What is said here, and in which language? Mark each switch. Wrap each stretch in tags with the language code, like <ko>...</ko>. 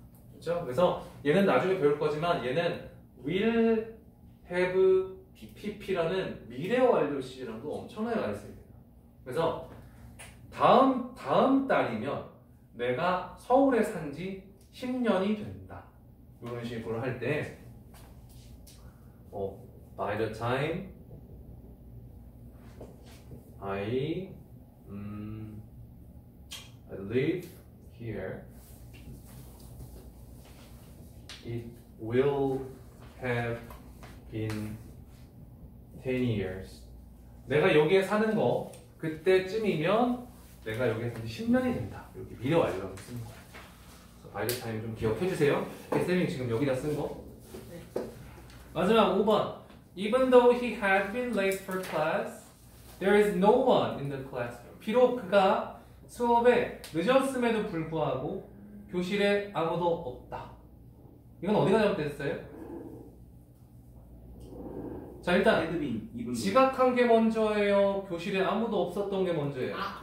<ko>그렇죠? 그래서 얘는 나중에 배울 거지만 얘는 will have PPP라는 미래 완료 시제랑도 엄청나게 많이 쓰입니다. 그래서 다음 달이면 내가 서울에 산 지 10년이 된다. 이런 식으로 할 때</ko> <en>by the time I live here, it will have been 10 years.</en> <ko>내가 여기에 사는 거, 그때쯤이면 내가 여기에 사는 지 10년이 된다. 이렇게 미래 완료라고 쓴 거예요. 바이 더 타임 좀 기억해 주세요. 쌤이 지금 여기다 쓴 거. 네. 마지막 5번.</ko> <en>Even though he had been late for class, there is no one in the classroom.</en> <ko>비록 그가 수업에 늦었음에도 불구하고 교실에 아무도 없다. 이건 어디가 잘못됐어요? 자, 일단 헤드빈, 지각한 게 먼저예요? 교실에 아무도 없었던 게 먼저예요?</ko>